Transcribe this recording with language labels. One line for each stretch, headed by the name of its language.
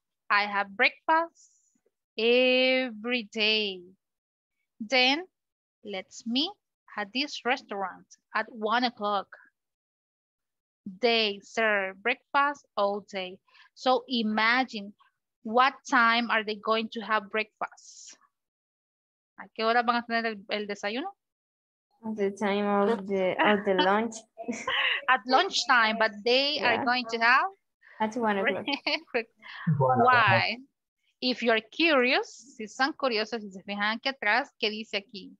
English: I have breakfast every day. Then let's meet at this restaurant at 1 o'clock. They serve breakfast all day. So imagine, what time are they going to have breakfast?
Spanish: ¿A qué hora van a tener el desayuno?
English: At the time of the lunch. At lunchtime, but they are going to have? At 1 o'clock. Why? If you're curious,
Spanish: si son curiosos, si se fijan aquí atrás, ¿qué dice aquí?